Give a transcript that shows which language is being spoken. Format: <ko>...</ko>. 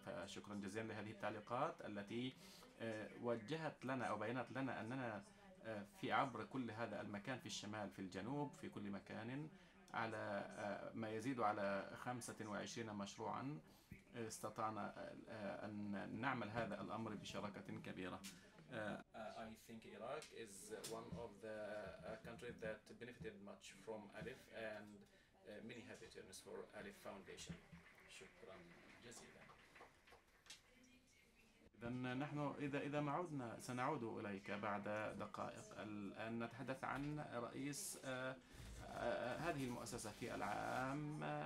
<ar>فشكرا جزيلا لهذه التعليقات التي وجهت لنا أو بينت لنا أننا في عبر كل هذا المكان في الشمال في الجنوب في كل مكان على ما يزيد على 25 مشروعا استطعنا أن نعمل هذا الأمر بشراكة كبيرة.</ar> <en>I think Iraq is one of the countries that benefited much from ALIF and many happy terms for ALIF Foundation.</en> <ar>شكرا جزيلا. إذن نحن إذا ما عدنا سنعود إليك بعد دقائق الآن نتحدث عن رئيس هذه المؤسسة في العام.</ar>